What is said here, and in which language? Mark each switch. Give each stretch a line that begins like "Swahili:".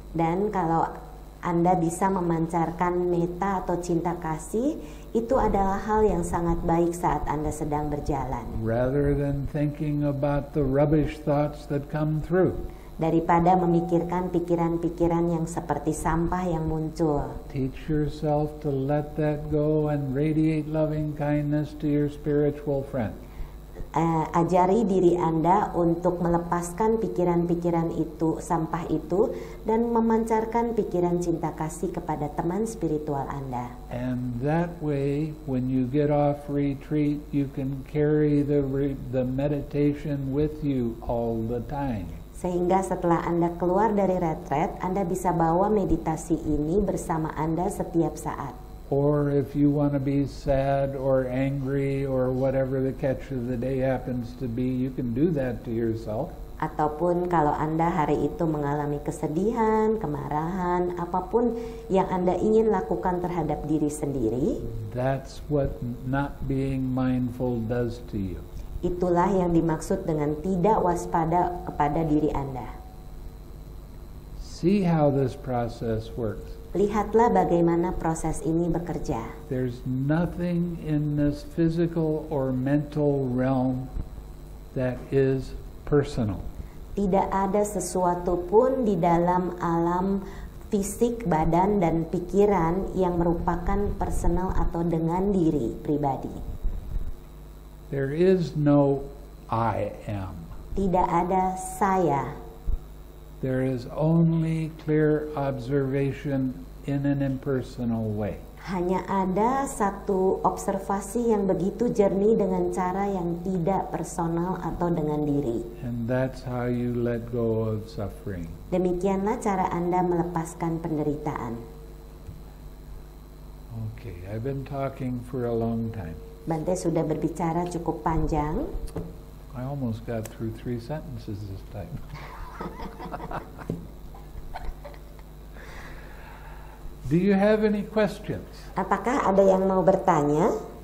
Indonesian: Dan kalau Anda bisa memancarkan metta atau cinta kasih, itu adalah hal yang sangat baik saat Anda sedang berjalan.
English: Rather than thinking about the rubbish thoughts that come through.
Indonesian: Daripada memikirkan pikiran-pikiran yang seperti sampah yang muncul.
English: Teach yourself to let that go and radiate loving kindness to your spiritual friend.
Indonesian: Ajari diri Anda untuk melepaskan pikiran-pikiran itu, sampah itu, dan memancarkan pikiran cinta kasih kepada teman spiritual Anda.
English: And that way, when you get off retreat, you can carry the meditation with you all the time.
Indonesian: Sehingga setelah Anda keluar dari retret, Anda bisa bawa meditasi ini bersama Anda setiap saat.
English: Or if you want to be sad or angry or whatever the catch of the day happens to be, you can do that to yourself.
Indonesian: Ataupun kalau Anda hari itu mengalami kesedihan, kemarahan, apapun yang Anda ingin lakukan terhadap diri sendiri.
English: That's what not being mindful does to you.
Indonesian: Itulah yang dimaksud dengan tidak waspada kepada diri Anda.
English: See how this process works.
Indonesian: Lihatlah bagaimana proses ini bekerja.
English: There's nothing in this physical or mental realm that is personal.
Indonesian: Tidak ada sesuatu pun di dalam alam fisik, badan, dan pikiran yang merupakan personal atau dengan diri pribadi.
English: There is no I am.
Indonesian: Tidak ada saya.
English: There is only clear observation in an impersonal way.
Indonesian: Hanya ada satu observasi yang begitu jernih dengan cara yang tidak personal atau dengan diri.
English: And that's how you let go of suffering.
Indonesian: Demikianlah cara Anda melepaskan penderitaan.
English: Okay, I've been talking for a long time.
Indonesian: Bante sudah berbicara cukup panjang.
English: I almost got through 3 sentences this time. Do you have any questions?
Indonesian: Apakah ada yang mau bertanya?